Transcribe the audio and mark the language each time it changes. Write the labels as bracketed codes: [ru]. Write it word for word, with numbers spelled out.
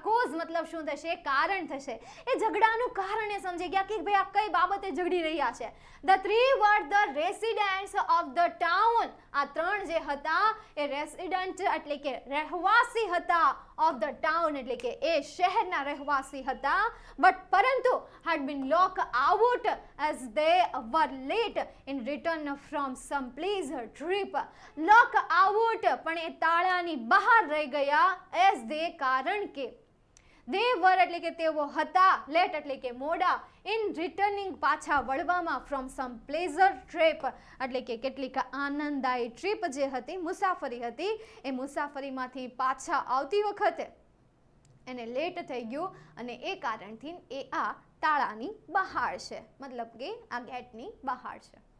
[gu] Cause મતલબ શું થશે? કારણ થશે. એ ઝઘડાનું કારણ એ સમજી ગયા કે ભાઈ આ કઈ બાબતે ઝઘડી રહ્યા છે. [en] the three were the residents of the town, [gu] આ ત્રણ જે હતા એ રેસિડેન્ટ એટલે કે રહેવાસી હતા. [en] of the town [gu] એટલે કે એ શહેરના રહેવાસી હતા. [en] But પરંતુ had been locked out as they were late in return from some pleasure trip. lock out [gu] પણ એ તાળાની બહાર રહી ગયા. [en] as they [gu] કારણ કે [en] they were [gu] એટલે કે તેઓ હતા, late એટલે કે મોડા, [en] in returning [gu] પાછા વળવામાં, [en] from some pleasure trip [gu] એટલે કે કેટલીક આનંદદાયી ટ્રીપ જે હતી, મુસાફરી હતી, એ મુસાફરીમાંથી પાછા આવતી વખતે એને લેટ થઈ ગયું અને એ કારણથી એ આ તાળાની બહાર છે, મતલબ કે આ ગેટની બહાર છે.